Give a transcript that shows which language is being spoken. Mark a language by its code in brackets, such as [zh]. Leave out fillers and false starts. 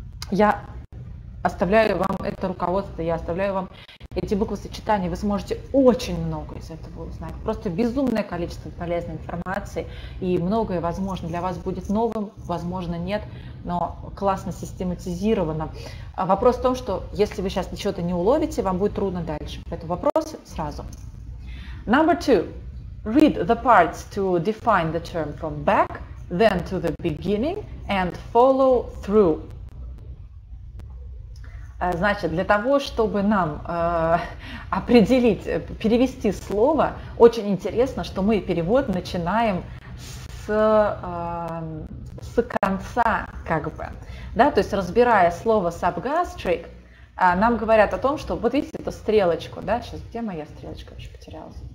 [ru] Я оставляю вам это руководство, я оставляю вам эти буквы сочетания. Вы сможете очень много из этого узнать. Просто безумное количество полезной информации, и многое, возможно, для вас будет новым, возможно, нет, но классно систематизировано. Вопрос в том, что если вы сейчас ничего-то не уловите, вам будет трудно дальше. Поэтому вопросы сразу. [en] Number two. Read the parts to define the term from back, then to the beginning, and follow through. [ru] Значит, для того, чтобы нам определить, перевести слово, очень интересно, что мы перевод начинаем с конца, как бы. Да, то есть разбирая слово subgastric, нам говорят о том, что вот видите эту стрелочку, да, сейчас, где моя стрелочка вообще потерялась?